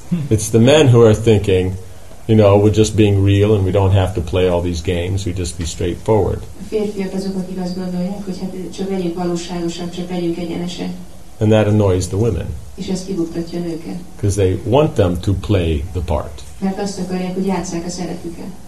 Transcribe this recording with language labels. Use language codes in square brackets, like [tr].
[en] It's the men who are thinking, you know, we're just being real and we don't have to play all these games, we just be straightforward. [hu] A férfiak azok, akik azt gondolják, hogy hát csak legyünk valóságosak, csak legyünk egyenesek. [en] And that annoys the women. [hu] És ez kibuktatja a nőket. [en] Because they want them to play the part. [hu] Mert azt akarják, hogy játsszák a szerepüket.